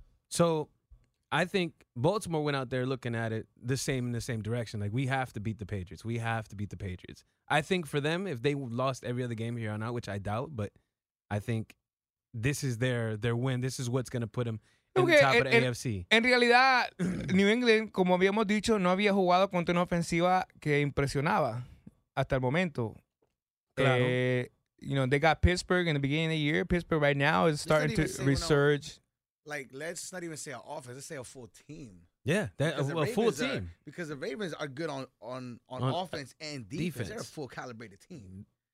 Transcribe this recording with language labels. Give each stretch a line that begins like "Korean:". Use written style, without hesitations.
English: So I think Baltimore went out there looking at it in the same direction. Like, we have to beat the Patriots. We have to beat the Patriots. I think for them, if they lost every other game here on out, which I doubt, but I think this is their win. This is what's going to put them in the top of the AFC.
Spanish: En realidad, New England, como habíamos dicho, no había jugado contra una ofensiva que impresionaba hasta el momento. Claro.
English: You know, they got Pittsburg in the beginning of the year. Pittsburg right now is starting to resurge. Let's not even say an offense. Let's say a full team. Yeah, a full team. Because the Ravens are good on offense and defense. They're a full calibrated team.